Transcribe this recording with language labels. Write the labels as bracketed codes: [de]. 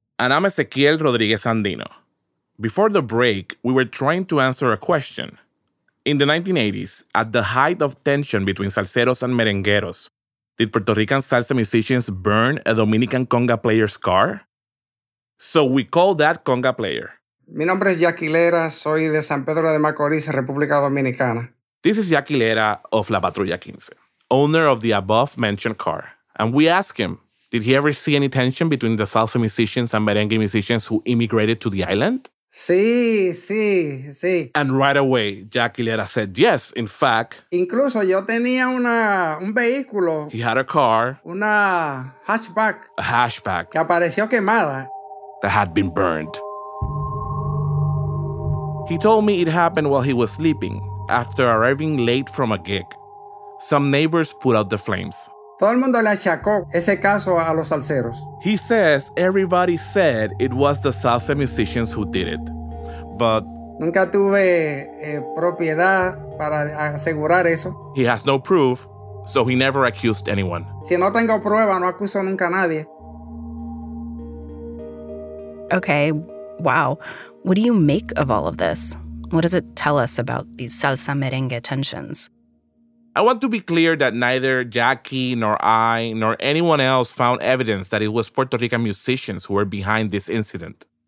[en] And I'm Ezequiel Rodriguez Andino. Before the break, we were trying to answer a question. In the 1980s, at the height of tension between salseros and merengueros, did Puerto Rican salsa musicians burn a Dominican conga player's car? So we call that conga player. [es] Mi nombre es Yaquilera, soy de San Pedro de Macorís, República Dominicana. [en] This is Yaquilera of La Patrulla 15, owner of the above-mentioned car. And we ask him, did he ever see any tension between the salsa musicians and merengue musicians who immigrated to the island? [es] Sí, sí, sí. [en] And right away, Yaquilera said yes, in fact. [es] Incluso yo tenía un vehículo. [en] He had a car. [es] Una hatchback. [en] A hatchback. [es] Que apareció quemada. [en] That had been burned. He told me it happened while he was sleeping, after arriving late from a gig. Some neighbors put out the flames. [es] Todo el mundo le achacó ese caso a los salseros. [en] He says everybody said it was the salsa musicians who did it. But [es] nunca tuve propiedad para asegurar eso. [en] He has no proof, so he never accused anyone. [es] Si no tengo prueba, no acuso nunca a nadie. [en] Okay, wow. What do you make of all of this? What does it tell us about these salsa merengue tensions? I want to be clear that neither Jackie nor I nor anyone else found evidence that it was Puerto Rican musicians who were behind this incident.